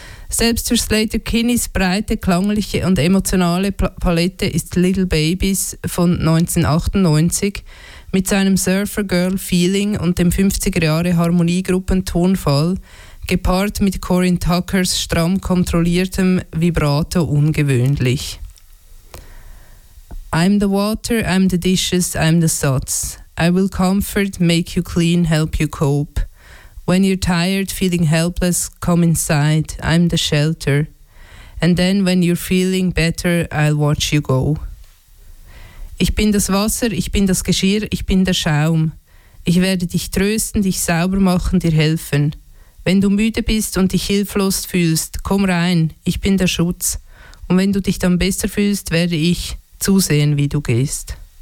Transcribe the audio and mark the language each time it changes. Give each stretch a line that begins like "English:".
German: Selbst für Slater Kinneys breite, klangliche und emotionale Palette ist Little Babies von 1998 mit seinem Surfer-Girl-Feeling und dem 50er-Jahre-Harmoniegruppen-Tonfall gepaart mit Corinne Tuckers stramm kontrolliertem Vibrato ungewöhnlich.
English: I'm the water, I'm the dishes, I'm the suds. I will comfort, make you clean, help you cope. When you're tired, feeling helpless, come inside, I'm the shelter. And then when you're feeling better, I'll watch you go.
German: Ich bin das Wasser, ich bin das Geschirr, ich bin der Schaum. Ich werde dich trösten, dich sauber machen, dir helfen. Wenn du müde bist und dich hilflos fühlst, komm rein, ich bin der Schutz. Und wenn du dich dann besser fühlst, werde ich zusehen, wie du gehst.